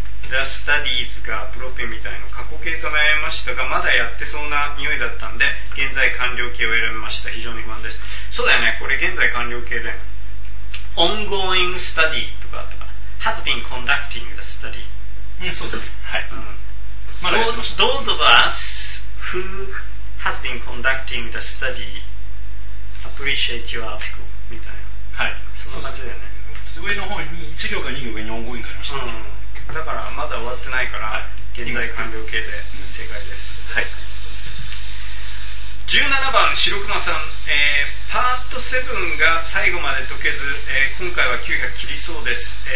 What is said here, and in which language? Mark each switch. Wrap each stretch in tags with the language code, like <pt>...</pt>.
<ja>ザ・スタディーズがプロペみたいな過去形と悩みましたが、まだやってそうな匂いだったんで、現在完了形を選びました。非常に不安です。そうだよね、これ現在完了形で、オンゴーイングスタディとかあったかな。</ja> <en>Has been conducting the study。</en> <ja>うん、そうですね。はい。うん、まだやってました。</ja> <en>Those of us who has been conducting the study appreciate your article</en> <ja>みたいな。はい。そんな感じだよね。上の方に、1行か2行上にオンゴーイングがありました、ね。うん、だからまだ終わってないから、現在完了形で正解です。はい、 17番白熊さん、パート7が最後まで解けず、今回は900切りそうです。</ja>